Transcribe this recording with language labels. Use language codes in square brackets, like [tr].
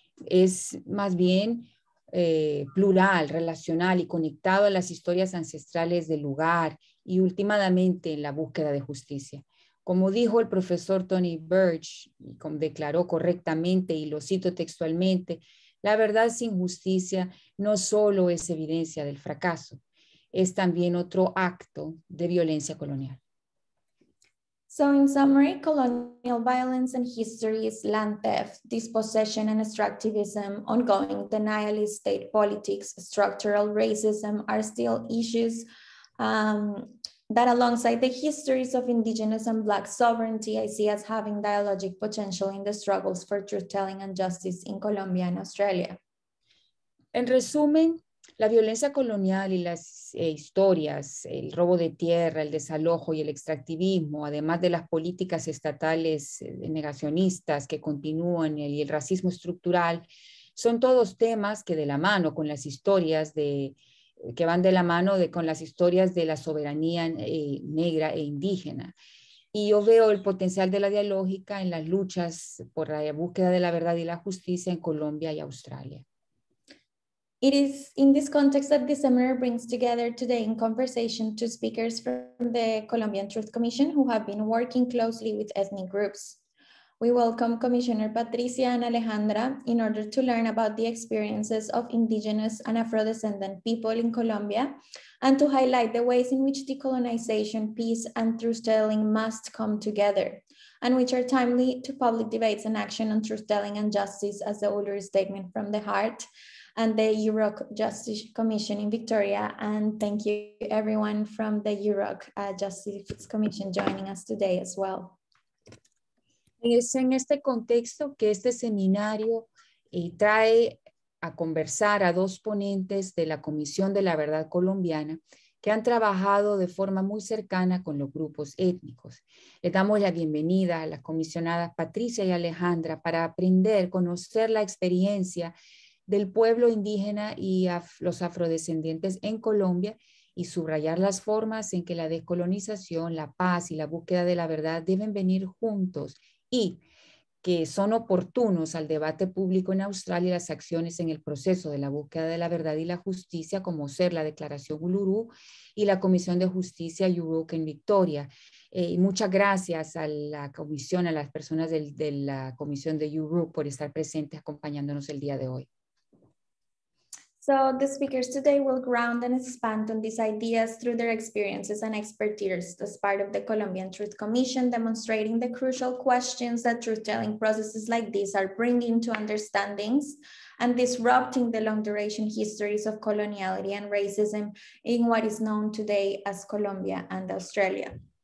[es] Es más bien plural, relacional y conectado a las historias ancestrales del lugar y últimamente en la búsqueda de justicia. Como dijo el profesor Tony Birch, y como declaró correctamente, y lo cito textualmente, la verdad sin justicia no solo es evidencia del fracaso, es también otro acto de violencia colonial. [en] So in summary, colonial violence and histories, land theft, dispossession and extractivism, ongoing denialist state politics, structural racism are still issues that alongside the histories of indigenous and black sovereignty, I see as having dialogic potential in the struggles for truth-telling and justice in Colombia and Australia. [es] En resumen, La violencia colonial y las historias, el robo de tierra, el desalojo y el extractivismo, además de las políticas estatales negacionistas que continúan y el racismo estructural, son todos temas que de la mano con las historias de que van de la mano de, con las historias de la soberanía negra e indígena. Y yo veo el potencial de la dialógica en las luchas por la búsqueda de la verdad y la justicia en Colombia y Australia. [en] It is in this context that the seminar brings together today in conversation two speakers from the Colombian Truth Commission who have been working closely with ethnic groups. We welcome Commissioner Patricia and Alejandra in order to learn about the experiences of indigenous and Afro-descendant people in Colombia and to highlight the ways in which decolonization, peace, and truth-telling must come together, and which are timely to public debates and action on truth-telling and justice as the Uluru Statement from the Heart and the UROC Justice Commission in Victoria. And thank you everyone from the UROC Justice Commission joining us today as well. [es] Es en este contexto que este seminario trae a conversar a dos ponentes de la Comisión de la Verdad Colombiana que han trabajado de forma muy cercana con los grupos étnicos. Les damos la bienvenida a las comisionadas Patricia y Alejandra para aprender, conocer la experiencia del pueblo indígena y los afrodescendientes en Colombia y subrayar las formas en que la descolonización, la paz y la búsqueda de la verdad deben venir juntos y que son oportunos al debate público en Australia y las acciones en el proceso de la búsqueda de la verdad y la justicia, como ser la Declaración Uluru y la Comisión de Justicia UROC en Victoria. Muchas gracias a la comisión, a las personas de la Comisión de UROC por estar presentes acompañándonos el día de hoy. [en] So the speakers today will ground and expand on these ideas through their experiences and expertise as part of the Colombian Truth Commission, demonstrating the crucial questions that truth-telling processes like these are bringing to understandings and disrupting the long-duration histories of coloniality and racism in what is known today as Colombia and Australia.